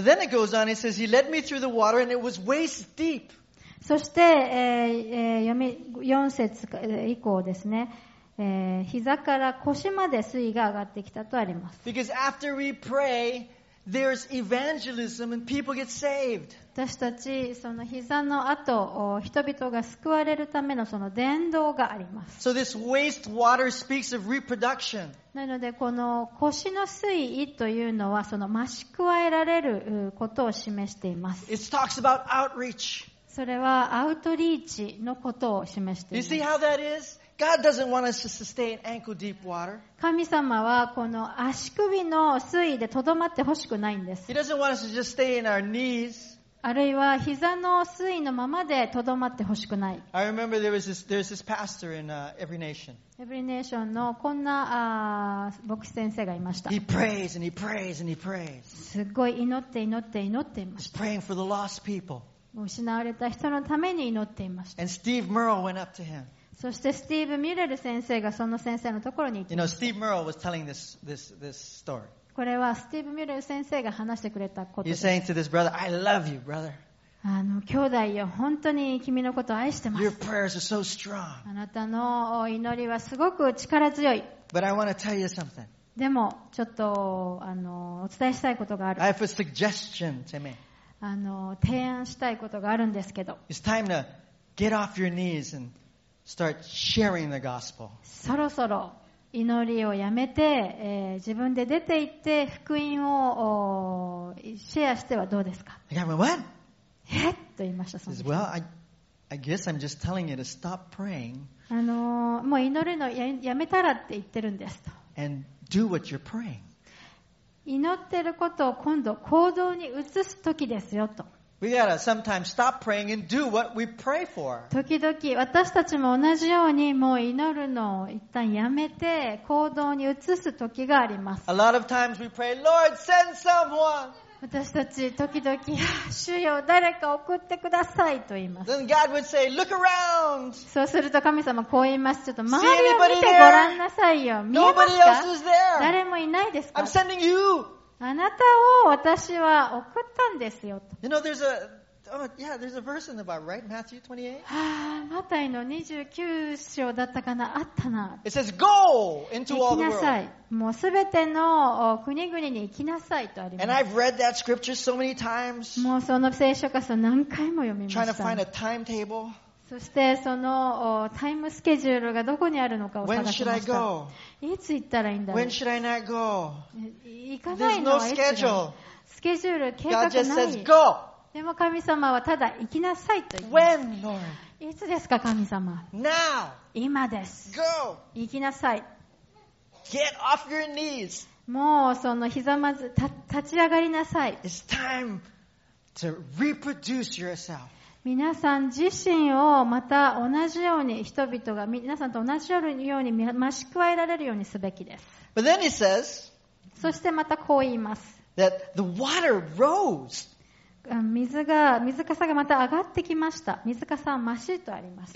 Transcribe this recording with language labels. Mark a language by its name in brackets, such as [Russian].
[English] But then it goes on, it says, He led me through the water and it was waist deep. [Japanese] そして、4節以降ですね、膝から腰まで水位が上がってきたとあります。 [English] Because after we pray, there's evangelism and people get saved. [Japanese] 私たちその膝の後、人々が救われるためのその伝道があります。 [English] So this waist water speaks of reproduction. [Japanese] なのでこの腰の水位というのはその増し加えられることを示しています。 [English] It talks about outreach. [Japanese] それはアウトリーチのことを示しています。 [English] You see how that is? God doesn't want us to sustain ankle deep water. [Japanese] 神様はこの足首の水位でとどまってほしくないんです。 [English] He doesn't want us to just stay in our knees. [Japanese] あるいは膝の水位のままでとどまってほしくない。 [English] I remember there was this pastor in every nation [Japanese] Every Nationのこんな牧師先生がいました。 [English] He prays and he prays and he prays. [Japanese] すごい祈って祈って祈っていました。 [English] He's praying for the lost people. [Japanese] 失われた人のために祈っていました。 [English] And Steve Merle went up to him. [Japanese] そしてスティーブ・ミレル先生がその先生のところに行って。 [English] You know, Steve Merle was telling this story. [Japanese] これはスティーブ・ミレル先生が話してくれたことです。 [English] He's saying to this brother, "I love you, brother." [Japanese] あの兄弟よ、本当に君のことを愛してます。 [English] Your prayers are so strong. [Japanese] あなたの祈りはすごく力強い。 [English] But I want to tell you something. [Japanese] でもちょっとお伝えしたいことがある。 [English] I have a suggestion to me. [Japanese] 提案したいことがあるんですけど。 [English] It's time to get off your knees and start sharing the gospel. [Japanese] そろそろ祈りをやめて、自分で出て行って福音をシェアしてはどうですか。 [English] I got my what? [Japanese] と言いました。その [English] Well, I guess I'm just telling you to stop praying. [Japanese] もう祈るの やめたらって言ってるんですと。 [English] And do what you're praying. [Japanese] 祈ってることを今度行動に移す時ですよと。 [English] We gotta sometimes stop praying and do what we pray for. [Japanese] 時々私たちも同じようにもう祈るのを一旦やめて行動に移す時があります。 [English] A lot of times we pray, Lord, send someone. [Japanese] 私たち時々、主よ誰か送ってくださいと言います。 [English] Then God would say, Look around. [Japanese] そうすると神様こう言います。ちょっと周りを見てごらんなさいよ。見えますか？ [English] Nobody else is there. [Japanese] 誰もいないですか？ [English] I'm sending you. [Japanese] あなたを私は送ったんですよと。 [English] You know, there's a verse in the Bible, right? Matthew 28. [Japanese] マタイの29章だったかな？あったな。 [English] It says, Go into all the world. [Japanese] 行きなさい。もうすべての国々に行きなさいとあります。 [English] And I've read that scripture so many times. [Japanese] もうその聖書箇所何回も読みました。 [English] Trying to find a timetable. [Japanese] そしてそのタイムスケジュールがどこにあるのかを探しました。 [English] When should I go? [Japanese] いつ行ったらいいんだろう。 [English] When should I not go? [Japanese] 行かないのはいつ。 [English] There's no schedule. [Japanese] スケジュール計画ない。 [English] God just says go. [Japanese] でも神様はただ行きなさいと言います。 [English] When, Lord? [Japanese] いつですか神様。 [English] Now. [Japanese] 今です。 [English] Go. [Japanese] 行きなさい。 [English] Get off your knees. [Japanese] もうそのひざまず立ち上がりなさい。 [English] It's time to reproduce yourself. [Japanese] 皆さん自身をまた同じように人々が皆さんと同じように増し加えられるようにすべきです。 [English] But then he says. [Japanese] そしてまたこう言います。 [English] That the water rose. [Japanese] 水かさがまた上がってきました。水かさは増しとあります。